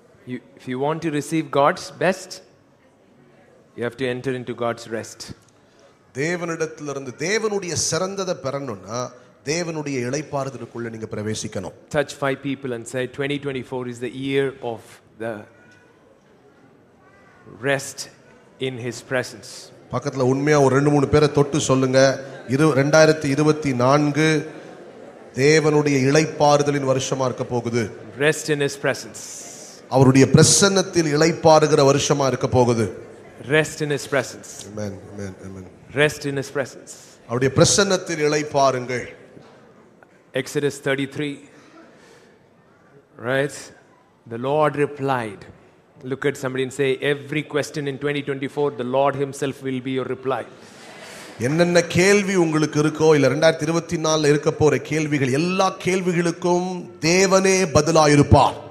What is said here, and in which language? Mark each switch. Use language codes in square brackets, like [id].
[en] You, if you want to receive God's best, you have to enter into God's rest. [ta] தேவனிடத்திலிருந்து தேவனுடைய சிறந்ததை பெறணும்னா தேவனுடைய இளைப்பாறுதலுக்குள்ள நீங்க பிரவேசிக்கணும். [en] Touch five people and say 2024 is the year of the rest in his presence. [ta] பக்கத்துல உண்மையா ஒரு ரெண்டு மூணு பேரை தொட்டு சொல்லுங்க, 2024 தேவனுடைய இளைப்பாறுதலின் வருஷமா இருக்க போகுது. [en] Rest in his presence. [ta] அவருடைய பிரசன்னத்தில் இளைப்பாறுகிற வருஷமா இருக்க போகுது. [en] Rest in his presence. Amen, amen, amen. Rest in his presence. [ta] அவருடைய பிரசன்னத்தில் இளைப்பாறுங்கள். [en] Exodus 33, right? The Lord replied. Look at somebody and say, every question in 2024, the Lord himself will be your reply. [ta] என்னென்ன கேள்வி உங்களுக்கு இருக்கோ இல்ல 2024 இருக்க போற கேள்விகள் எல்லா கேள்விகளுக்கும் தேவனே பதிலாயிருப்பார்.